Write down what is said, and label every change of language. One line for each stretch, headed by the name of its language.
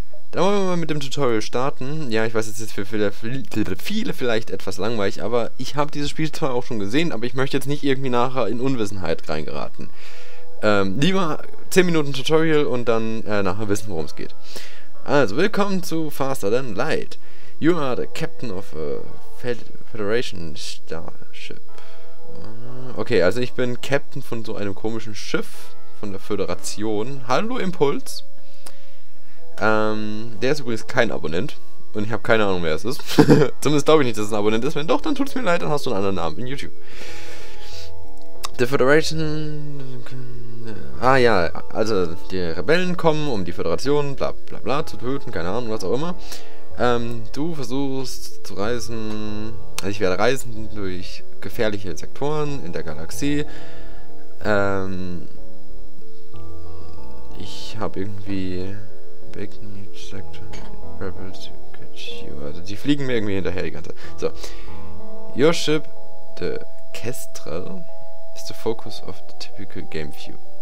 German: Dann wollen wir mal mit dem Tutorial starten. Ja, ich weiß, es ist für viele vielleicht etwas langweilig, aber ich habe dieses Spiel zwar auch schon gesehen, aber ich möchte jetzt nicht irgendwie nachher in Unwissenheit reingeraten. Lieber 10 Minuten Tutorial und dann nachher wissen, worum es geht. Also, willkommen zu Faster Than Light.
English: You are the captain of a Federation Starship.
German: Okay, also ich bin Captain von so einem komischen Schiff von der Föderation. Hallo Impuls. Der ist übrigens kein Abonnent. Und ich habe keine Ahnung, wer es ist. Zumindest glaube ich nicht, dass es ein Abonnent ist. Wenn doch, dann tut es mir leid, dann hast du einen anderen Namen in YouTube.
English: The Federation...
German: Ah ja, also die Rebellen kommen, um die Föderation bla bla bla zu töten. Keine Ahnung, was auch immer. Du versuchst zu reisen... Also ich werde reisen durch gefährliche Sektoren in der Galaxie. Ich habe irgendwie...
English: Big Need Sector Rebels catch you.
German: Also die fliegen mir irgendwie hinterher die ganze Zeit. So.
English: Your ship, the Kestrel, is the focus of the typical game view.